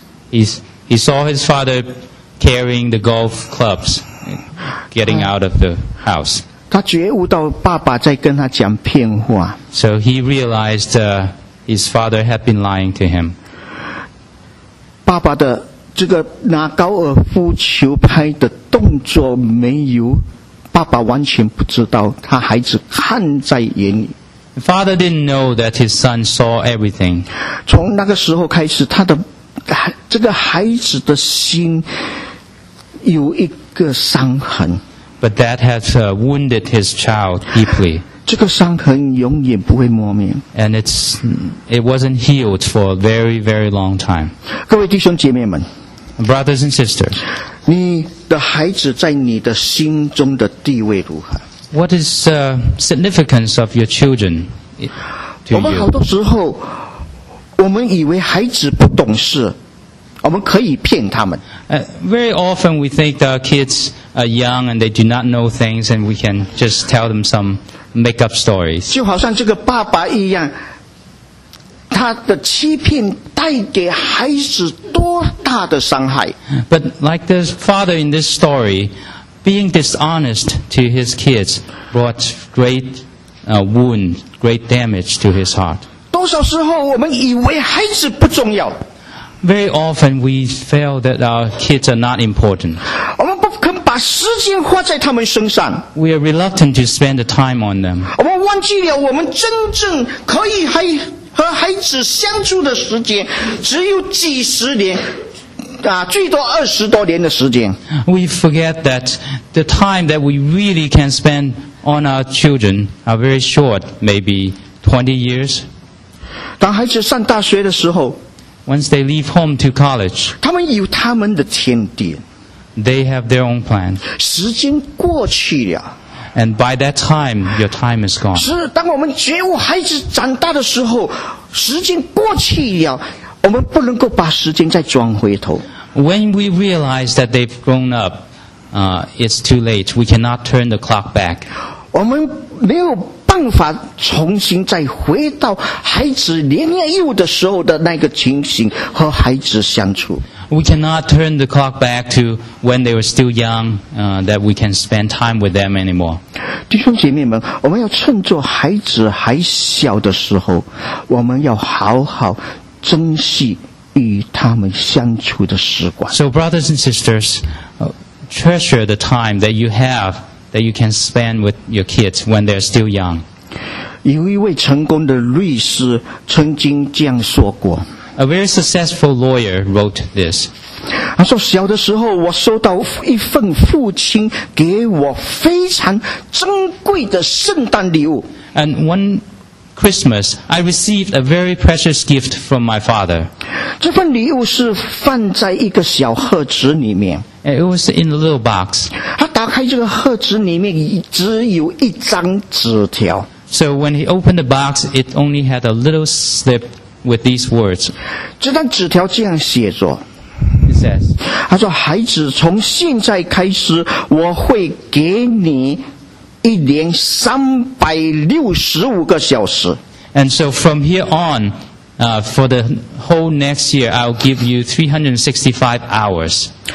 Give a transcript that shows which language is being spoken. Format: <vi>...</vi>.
<en>He saw his father carrying the golf clubs, getting out of the house.</en> <zh>他觉悟到爸爸在跟他讲骗话。</zh> <en>So he realized his father had been lying to him.</en> <zh>爸爸的这个拿高尔夫球拍的动作没有，爸爸完全不知道，他孩子看在眼里。</zh> <en>Father didn't know that his son saw everything.</en> <zh>从那个时候开始，他的这个孩子的心有一个伤痕。</zh> <en>But that has wounded his child deeply.</en> <zh>这个伤痕永远不会磨灭。</zh> <en>And it wasn't healed for a very, very long time.</en> <zh>各位弟兄姐妹们，</zh> <en>Brothers and sisters,</en> <zh>你的孩子在你的心中的地位如何？</zh> <en>What is the significance of your children to you?</en> <zh>我们好多时候，我们以为孩子不懂事，我们可以骗他们。</zh> <en>Very often we think our kids are young and they do not know things and we can just tell them some make-up stories.</en> <zh>就好像这个爸爸一样，他的欺骗带给孩子多大的伤害。</zh> <en>But like the father in this story, being dishonest to his kids brought great wound, great damage to his heart.</en> <zh>多少时候我们以为孩子不重要。</zh> <en>Very often we feel that our kids are not important.</en> <zh>我们不肯把时间花在他们身上。</zh> <en>We are reluctant to spend the time on them.</en> <zh>我们忘记了我们真正可以和孩子相处的时间只有几十年，最多二十多年的时间。</zh> <en>We forget that the time that we really can spend on our children are very short, maybe 20 years.</en> <zh>当孩子上大学的时候，</zh> <en>Once they leave home to college,</en> <zh>他们有他们的天地。</zh> <en>They have their own plan.</en> <zh>时间过去了。</zh> <en>And by that time, your time is gone.</en> <zh>是，当我们觉悟孩子长大的时候，时间过去了，我们不能够把时间再装回头。</zh> <en>When we realize that they've grown up, it's too late. We cannot turn the clock back.</en> <zh>我们没有办法重新再回到孩子年年幼的时候的那个情形和孩子相处。</zh> <en>We cannot turn the clock back to when they were still young, that we can spend time with them anymore.</en> <zh>弟兄姐妹们，我们要趁着孩子还小的时候，我们要好好珍惜与他们相处的时光。</zh> <en>So brothers and sisters, treasure the time that you have, that you can spend with your kids when they're still young.</en> <zh>有一位成功的律师曾经这样说过。</zh> <en>A very successful lawyer wrote this.</en> <zh>他说小的时候我收到一份父亲给我非常珍贵的圣诞礼物。</zh> <en>And one Christmas, I received a very precious gift from my father.</en> <zh>这份礼物是放在一个小盒子里面。</zh> <en>And it was in a little box.</en> <zh>他打开这个盒子里面只有一张纸条。</zh> <en>So when he opened the box, it only had a little slip. With these words.</en> <zh>这张纸条这样写着。</zh> <en>He says,</en> <zh>他说孩子从现在开始我会给你一年365个小时。</zh> <en>And so from here on, for the whole next year, I'll give you 365 hours.</en>